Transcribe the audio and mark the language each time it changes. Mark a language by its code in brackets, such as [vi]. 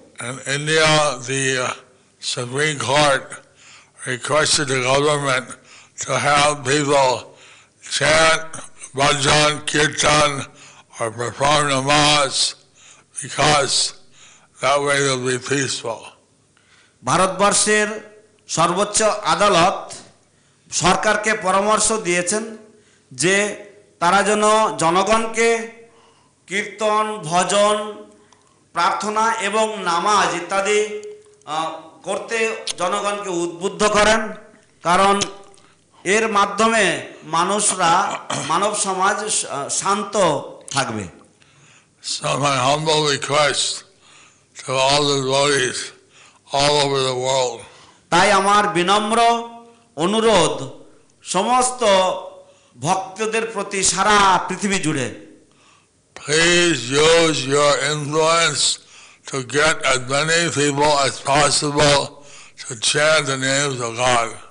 [en] And India, the Supreme Court requested the government to have people chant bhajan kirtan or perform namaz because that way they'll be peaceful. [bn] ভারতবর্ষের সর্বোচ্চ আদালত সরকারকে পরামর্শ দিয়েছেন যে তারা যেন জনগণকে কীর্তন ভজন প্রার্থনা এবং নামাজ ইত্যাদি করতে জনগণকে উদ্বুদ্ধ করেন কারণ এর মাধ্যমে মানুষরা মানব সমাজ শান্ত থাকবে [en] So my humble request to all the devotees all over the world [bn] তাই আমার বিনম্র অনুরোধ সমস্ত ভক্তদের প্রতি সারা পৃথিবী জুড়ে [en] Please use your influence to get as many people as possible to chant the names of God.